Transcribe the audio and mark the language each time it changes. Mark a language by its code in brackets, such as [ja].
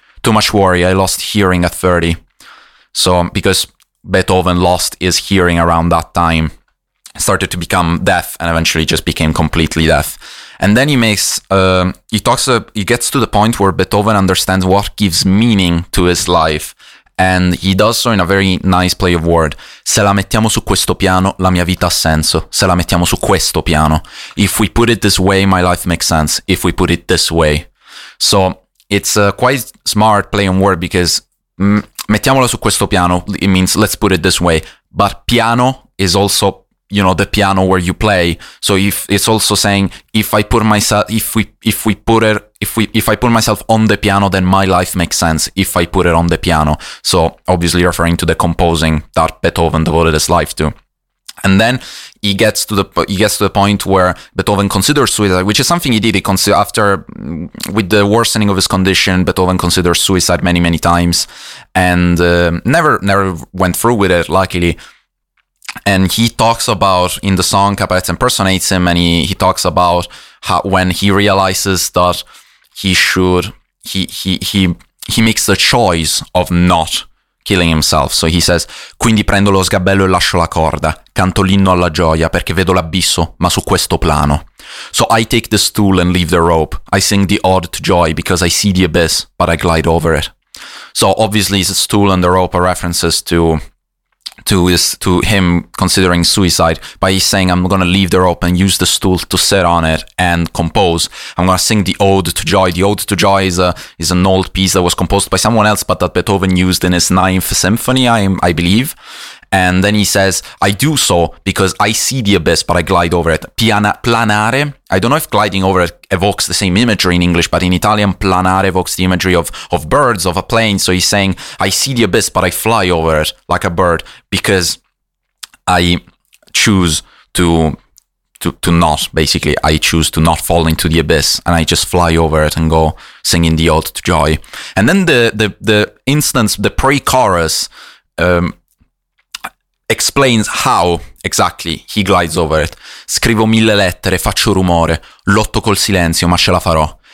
[en] Too much worry, I lost hearing at 30. So because Beethoven lost his hearing around that time, started to become deaf and eventually just became completely deaf. And then he gets to the point where Beethoven understands what gives meaning to his life. And he does so in a very nice play of word. [it] Se la mettiamo su questo piano, la mia vita ha senso. Se la mettiamo su questo piano. [en] If we put it this way, my life makes sense. If we put it this way. So it's a quite smart play on word, because [it] mettiamola su questo piano, [en] it means let's put it this way. But piano is also, you know, the piano where you play. So if it's also saying, if I put myself on the piano, then my life makes sense if I put it on the piano. So obviously referring to the composing that Beethoven devoted his life to. And then he gets to the point where Beethoven considers suicide, which is something he did. With the worsening of his condition, Beethoven considered suicide many, many times and never went through with it, luckily. And he talks about, in the song, Caparezza impersonates him, and he talks about how when he realizes that he makes the choice of not killing himself. So he says, [it] quindi prendo lo sgabello e lascio la corda, canto l'inno alla gioia perché vedo l'abisso, ma su questo plano. [en] So I take the stool and leave the rope. I sing the ode to joy because I see the abyss, but I glide over it. So obviously the stool and the rope are references to him considering suicide, but he's saying, I'm going to leave the rope and use the stool to sit on it and compose. I'm going to sing the ode to joy. The ode to joy is an old piece that was composed by someone else, but that Beethoven used in his 9th symphony, I believe. And then he says, I do so because I see the abyss, but I glide over it. Planare. I don't know if gliding over it evokes the same imagery in English, but in Italian, planare evokes the imagery of birds, of a plane. So he's saying, I see the abyss, but I fly over it like a bird because I choose to not, basically. I choose to not fall into the abyss, and I just fly over it and go singing the ode to joy. And then the instance, the pre-chorus, explains how exactly he glides over it. [it] Scrivo mille lettere, faccio rumore, lotto col silenzio, ma ce la farò.